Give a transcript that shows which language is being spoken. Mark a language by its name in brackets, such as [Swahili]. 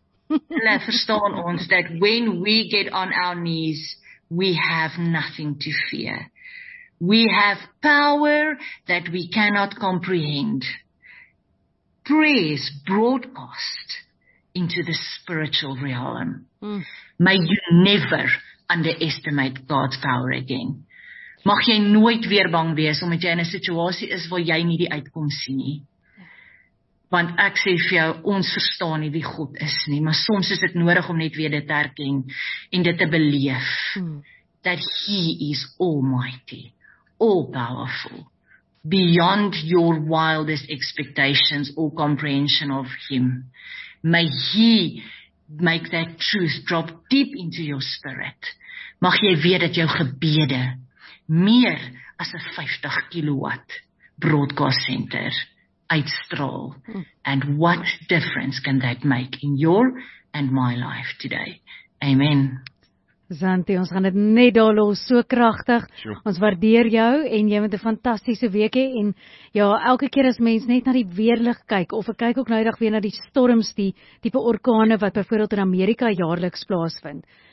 [English] Let [Afrikaans] verstaan ons [English] that when we get on our knees, we have nothing to fear. We have power that we cannot comprehend. Prayers broadcast into the spiritual realm. Mm. May you never underestimate God's power again. [Afrikaans] Mag jy nooit weer bang wees omdat jy in 'n situasie is waar jy nie die uitkom sien nie. Want ek sê vir jou, ons verstaan nie wie God is nie, maar soms is dit nodig om net weer dit te herken en dit te beleef. Mm. [English] That He is almighty. All-powerful, beyond your wildest expectations or comprehension of Him. May He make that truth drop deep into your spirit. [Afrikaans] Mag jy weet dat jou gebede meer as 'n 50 kilowatt broadcast center uitstraal. [English] And what difference can that make in your and my life today? Amen. [Afrikaans] Zanti, ons gaan dit net daar los, so kragtig. Sure. Ons waardeer jou en jy met 'n fantastiese week hê en ja, elke keer as mens net na die weerlig kyk of ek kyk ook nou eendag weer na die storms, die tipe orkane wat byvoorbeeld in Amerika jaarliks plaasvind.